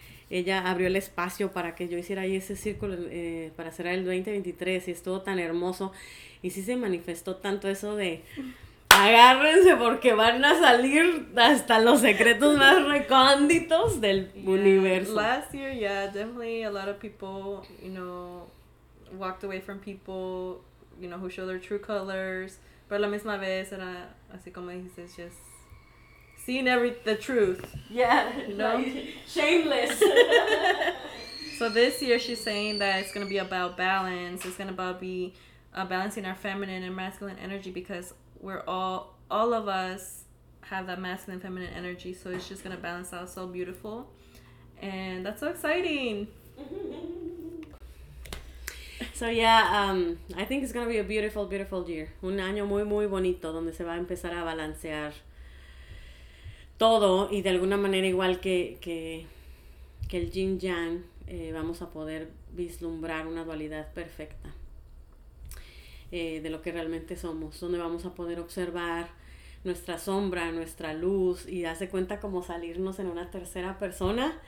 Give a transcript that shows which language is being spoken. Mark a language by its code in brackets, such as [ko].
[es] Ella abrió el espacio para que yo hiciera ahí ese círculo, para cerrar el 2023, y estuvo tan hermoso, y sí se manifestó tanto eso de agárrense porque van a salir hasta los secretos más recónditos del universo. [en] Last year, definitely a lot of people, you know, walked away from people, you know, who show their true colors, [es] pero a la misma vez era así como dices, [en] just seeing the truth. Yeah, no, shameless. So this year she's saying that it's going to be about balance. It's going to be balancing our feminine and masculine energy, because we're all of us have that masculine and feminine energy. So it's just going to balance out so beautiful. And that's so exciting. So yeah, I think it's going to be a beautiful, beautiful year. [es] Un año muy, muy bonito donde se va a empezar a balancear todo, y de alguna manera igual que el yin yang, vamos a poder vislumbrar una dualidad perfecta de lo que realmente somos, donde vamos a poder observar nuestra sombra, nuestra luz, y darse cuenta como salirnos en una tercera persona.